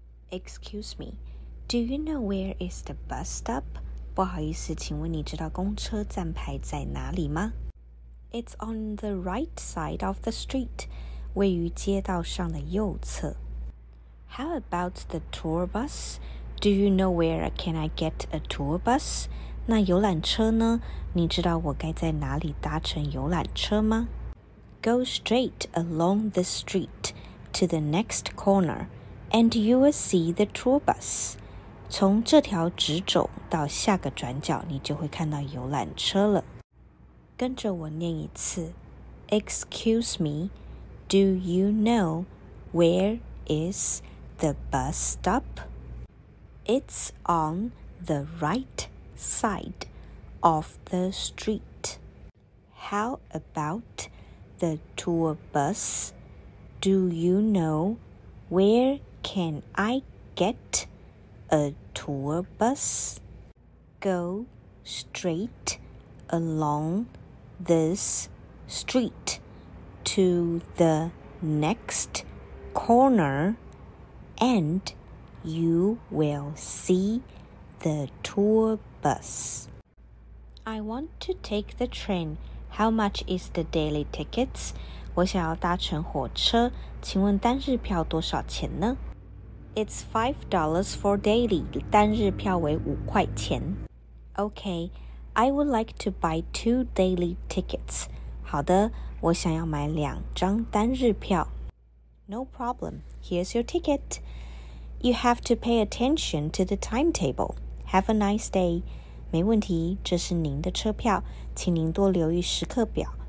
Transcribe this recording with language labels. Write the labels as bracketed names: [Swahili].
[English] Excuse me, do you know where is the bus stop? [Chinese] 不好意思，请问你知道公车站牌在哪里吗？ [English] It's on the right side of the street, [Chinese] 位于街道上的右侧。 [English] How about the tour bus? Do you know where can I get a tour bus? [Chinese] 那游览车呢？你知道我该在哪里搭乘游览车吗？ [English] Go straight along the street to the next corner. And you will see the tour bus. [Chinese] 从这条直走到下个转角，你就会看到游览车了。跟着我念一次。 [English] Excuse me, do you know where is the bus stop? It's on the right side of the street. How about the tour bus? Do you know where? Can I get a tour bus? Go straight along this street to the next corner and you will see the tour bus. I want to take the train. How much is the daily tickets? [Chinese] 我想要搭乘火车，请问单日票多少钱呢？ [English] It's $5 for daily, [Chinese] 单日票为五块钱。 [English] Okay, I would like to buy 2 daily tickets. [Chinese] 好的，我想要买两张单日票。 [English] No problem, here's your ticket. You have to pay attention to the timetable. Have a nice day. [Chinese] 没问题，这是您的车票，请您多留意时刻表。